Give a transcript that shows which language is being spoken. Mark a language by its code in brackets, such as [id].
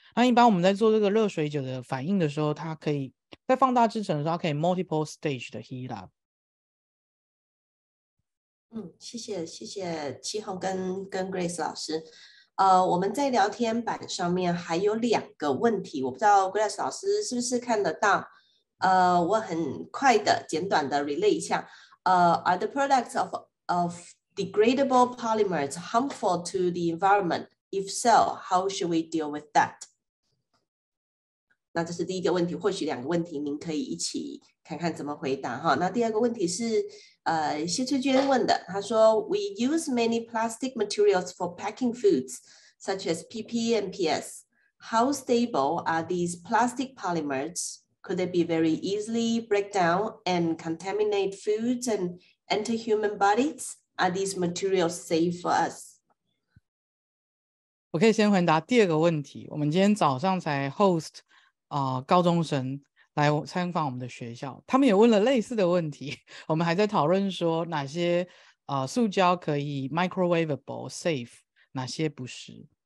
[zh] 那一般我们在做这个热水酒的反应的时候，它可以在放大制程的时候，它可以 [en] multiple stage [zh] 的 [en] heat up。 [zh] 谢谢七号跟 Grace 老师。我们在聊天板上面还有两个问题，我不知道 Grace 老师是不是看得到。我很快的简短的 relay 一下。 [en] Are the products of degradable polymers harmful to the environment? If so, how should we deal with that? [zh] 那这是第一个问题，或许两个问题您可以一起看看怎么回答哈。那第二个问题是谢翠娟问的，她说 [en] We use many plastic materials for packing foods such as PP and PS. How stable are these plastic polymers? Could they be very easily break down and contaminate foods and enter human bodies? Are these materials safe for us? [zh] 我可以先回答第二个问题。我们今天早上才 host、高中生来参访我们的学校，他们也问了类似的问题。我们还在讨论说哪些、塑胶可以 [en] microwavable safe， [zh] 哪些不是。